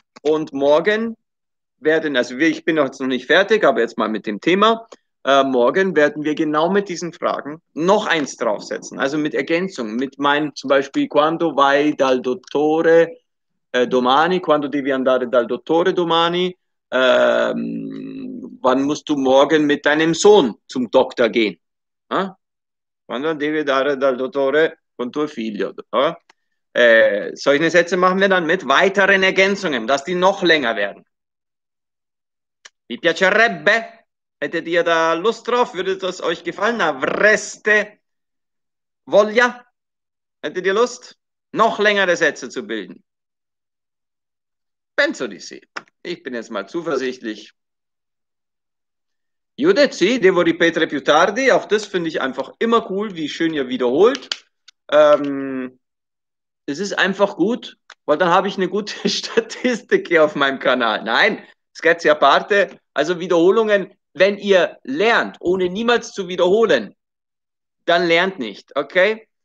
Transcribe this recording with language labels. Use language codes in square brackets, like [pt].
[de] Und morgen werden, also ich bin jetzt noch nicht fertig, aber jetzt mal mit dem Thema, morgen werden wir genau mit diesen Fragen noch eins draufsetzen, also mit Ergänzung, mit meinem zum Beispiel, [it] quando vai dal dottore domani, [de] quando devi andare dal dottore domani, wann musst du morgen mit deinem Sohn zum Doktor gehen? [it] Quando devi andare dal dottore con tuo figlio? [de] Solche Sätze machen wir dann mit weiteren Ergänzungen, dass die noch länger werden. [it] Mi piacerebbe, [de] hättet ihr da Lust drauf? Würde das euch gefallen? [it] Avreste voglia? [de] Hättet ihr Lust, noch längere Sätze zu bilden? [it] Penso di sì. [de] Ich bin jetzt mal zuversichtlich. [it] Judith, sì, devo ripetere più tardi. [de] Auch das finde ich einfach immer cool, wie schön ihr wiederholt. Es ist einfach gut, weil dann habe ich eine gute Statistik hier auf meinem Kanal. Nein, [it] scherzi a parte. [de] Also Wiederholungen, wenn ihr lernt, ohne niemals zu wiederholen, dann lernt nicht, okay?